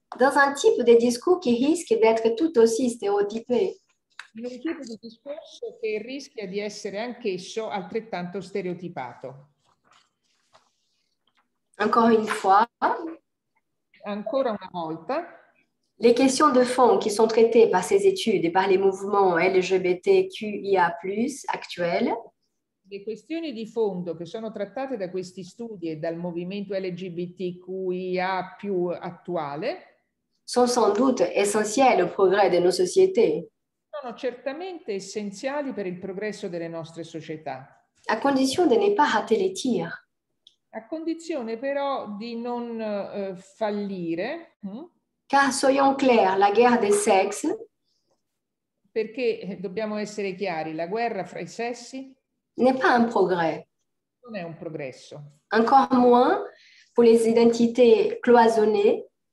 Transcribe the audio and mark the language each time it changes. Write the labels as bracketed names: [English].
[French] Dans un type de discours qui risque d'être tout aussi stéréotypé. [Italian] In un tipo di discorso che rischia di essere anch'esso altrettanto stereotipato. [French] Encore une fois. [Italian] Ancora una volta. [French] Les questions de fond qui sont traitées par ces études et par les mouvements LGBTQIA+ actuels. [Italian] Le questioni di fondo che sono trattate da questi studi e dal movimento LGBTQIA più attuale sono [French] sans doute essentielles au progrès de nos sociétés. [Italian] Sono certamente essenziali per il progresso delle nostre società. [French] À condition de ne pas rater les tirs. [Italian] A condizione però di non fallire. [French] Car soyons clairs, la guerre des sexes. [Italian] Perché dobbiamo essere chiari, la guerra fra i sessi [French] n'est pas un progrès. [Italian] Non è un progresso. [French] Encore moins pour les identités cloisonnées.